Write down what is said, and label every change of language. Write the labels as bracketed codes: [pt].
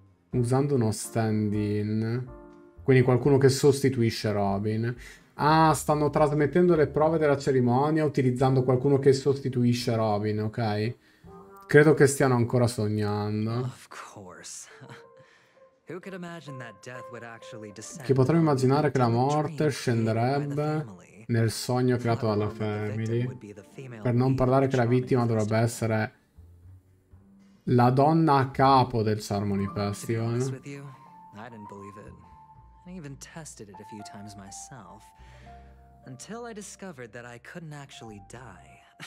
[it] Usando uno stand-in. Quindi qualcuno che sostituisce Robin. Ah, stanno trasmettendo le prove della cerimonia utilizzando qualcuno che sostituisce Robin, ok? Credo che stiano ancora sognando. [en] Of course. Who could imagine that death would actually descend? [it] Che potremmo immaginare che la morte scenderebbe nel sogno creato dalla family? Per non parlare che la vittima dovrebbe essere la donna a capo del Charmony Festival. [en] I didn't believe it. I even tested it a few times myself until I discovered that I couldn't actually die.